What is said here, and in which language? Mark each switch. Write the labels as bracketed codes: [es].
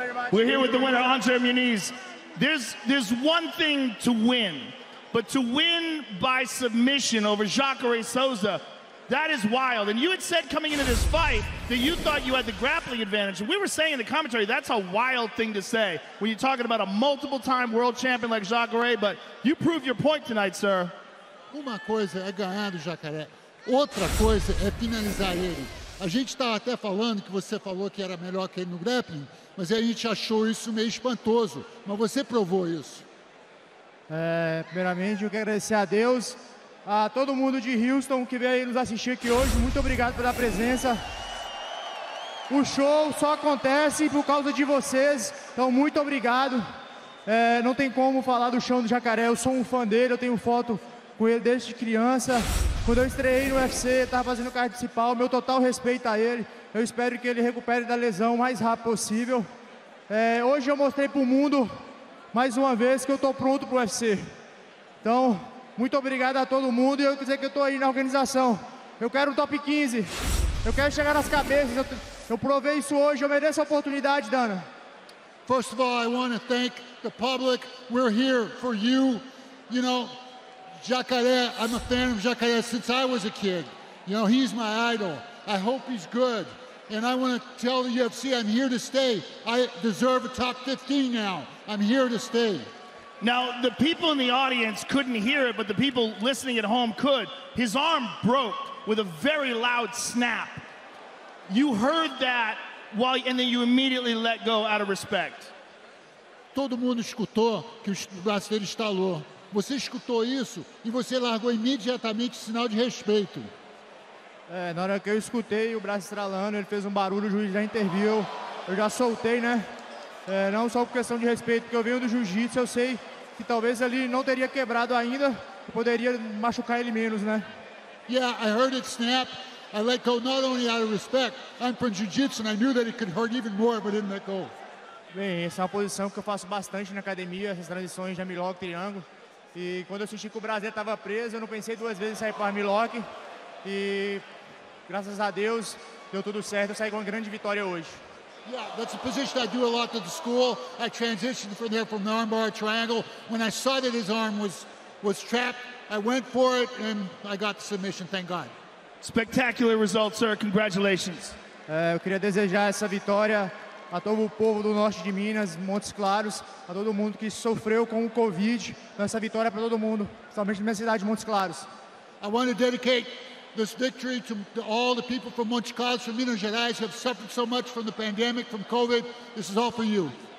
[en] We're here with the winner, Andre Muniz. There's one thing to win, but to win by submission over Jacare Souza, that is wild. And you had said coming into this fight that you thought you had the grappling advantage. And we were saying in the commentary, that's a wild thing to say when you're talking about a multiple-time world champion like Jacare, but you proved your point tonight, sir. [pt] Uma coisa é ganhar do Jacare. Outra coisa é finalizar ele. A gente estava até falando que você falou que era melhor que ele no grappling, mas a gente achou isso meio espantoso. Mas você provou isso. É, primeiramente, eu quero agradecer a Deus, a todo mundo de Houston que veio aí nos assistir aqui hoje. Muito obrigado pela presença. O show só acontece por causa de vocês, então muito obrigado. É, não tem como falar do chão do Jacare, eu sou um fã dele, eu tenho foto com ele desde criança. Quando eu estreiei no UFC, estava fazendo card principal, meu total respeito a ele. Eu espero que ele recupere da lesão o mais rápido possível. É, hoje eu mostrei para o mundo, mais uma vez, que eu estou pronto para o UFC. Então, muito obrigado a todo mundo. E eu quero dizer que eu estou aí na organização. Eu quero o top 15. Eu quero chegar nas cabeças. Eu provei isso hoje. Eu mereço a oportunidade, Dana. [en] First of all, I want to thank the public. We're here for you. You know, Jacare, I'm a fan of Jacare since I was a kid. You know, he's my idol. I hope he's good. And I want to tell the UFC I'm here to stay. I deserve a top 15 now. I'm here to stay. Now, the people in the audience couldn't hear it, but the people listening at home could. His arm broke with a very loud snap. You heard that, while, and then you immediately let go out of respect. [pt] Todo mundo escutou que o braço dele estalou. Você escutou isso e você largou imediatamente o sinal de respeito. É, na hora que eu escutei o braço estralando, ele fez um barulho, o juiz já interviu. Eu já soltei, né? É, não só por questão de respeito, porque eu venho do jiu-jitsu, eu sei que talvez ele não teria quebrado ainda, eu poderia machucar ele menos, né? [en] Yeah, I heard it snap. I let go not only out of respect, I'm from jiu-jitsu and I knew that it could hurt even more, but I didn't let go. [pt] Bem, essa é uma posição que eu faço bastante na academia, essas transições de armlock, triângulo. E quando eu senti que o braço estava preso, eu não pensei duas vezes em sair para o armlock. E graças a Deus, deu tudo certo, eu saí com uma grande vitória hoje. [en] Yeah, that's a position I do a lot at the school. I transitioned from there from the armbar triangle. When I saw that his arm was trapped, I went for it and I got the submission, thank God. Spectacular result, sir. Congratulations. [pt] Eu queria desejar essa vitória a todo o povo do norte de Minas, Montes Claros, a todo mundo que sofreu com o Covid, essa vitória para todo mundo, principalmente na minha cidade, Montes Claros. [en] I want to dedicate this victory to all the people from Montes Claros, from Minas Gerais, who have suffered so much from the pandemic, from COVID. This is all for you.